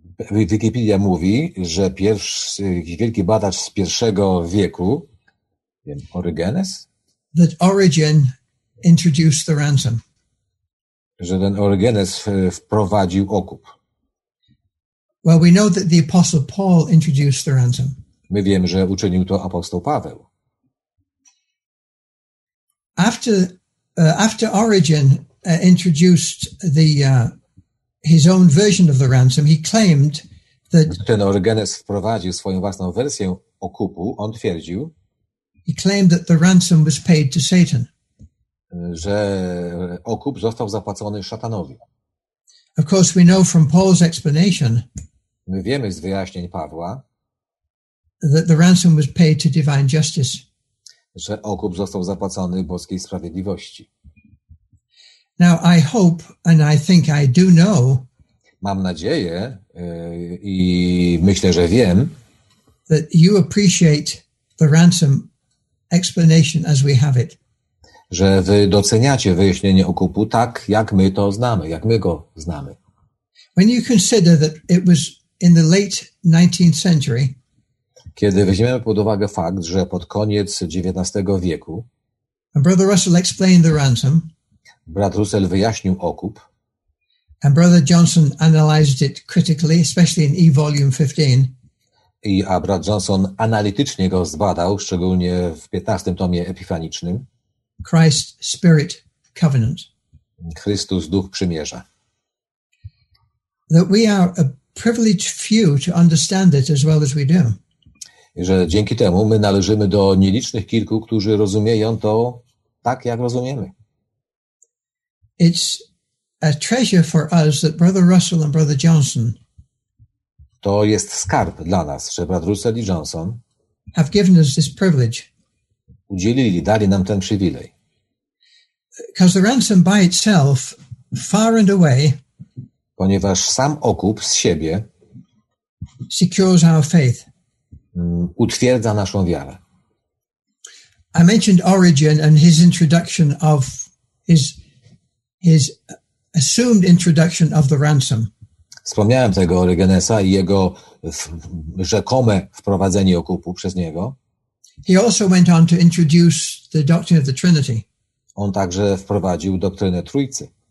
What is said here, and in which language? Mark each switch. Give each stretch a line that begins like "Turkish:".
Polish: Wikipedia mówi, że pierwszy wielki badacz z pierwszego wieku, wiem, Origenes?
English: That Origen introduced the ransom.
Polish: Że ten Origenes wprowadził okup.
English: Well, we know that the apostle Paul introduced the ransom.
Polish: My wiemy, że uczynił to apostoł Paweł.
English: After Origen introduced the his own version of the ransom, he claimed that
Polish: ten Origenes wprowadził swoją własną wersję okupu, on twierdził,
English: he claimed that the ransom was paid to Satan,
Polish: że okup został zapłacony szatanowi.
English: Of course we know from Paul's explanation,
Polish: my wiemy z wyjaśnień Pawła,
English: that the ransom was paid to divine justice,
Polish: że okup został zapłacony boskiej sprawiedliwości.
English: Now I hope and I think I do know,
Polish: mam nadzieję i myślę, że wiem,
English: that you appreciate the ransom explanation as we have it.
Polish: Że wy doceniacie wyjaśnienie okupu tak, jak my to znamy, jak my go znamy.
English: When you consider that it was in the late 19th century,
Polish: kiedy weźmiemy pod uwagę fakt, że pod koniec XIX wieku,
English: and Brother Russell explained the ransom,
Polish: brat Russell wyjaśnił okup,
English: and Brother Johnson analyzed it critically, especially in E-volume 15.
Polish: A brat Johnson analitycznie go zbadał, szczególnie w 15 tomie epifanicznym.
English: Christ Spirit Covenant.
Polish: Chrystus, Duch Przymierza.
English: That we are a privileged few to understand it as well as we do.
Polish: Że dzięki temu my należymy do nielicznych kilku, którzy rozumieją to tak, jak rozumiemy.
English: It's a treasure for us that Brother Russell and Brother Johnson.
Polish: To jest skarb dla nas, że brat Russell i Johnson
English: have given us this privilege.
Polish: Udzielili, dali nam ten przywilej.
English: Because the ransom by itself, far and away,
Polish: ponieważ sam okup z siebie
English: secures our faith.
Polish: Utwierdza naszą wiarę.
English: I mentioned Origen and his introduction of his assumed introduction of the ransom.
Polish: Wspomniałem tego Origenesa i jego rzekome wprowadzenie okupu przez niego.
English: He also went on to introduce the doctrine of the Trinity.
Polish: On także wprowadził doktrynę Trójcy.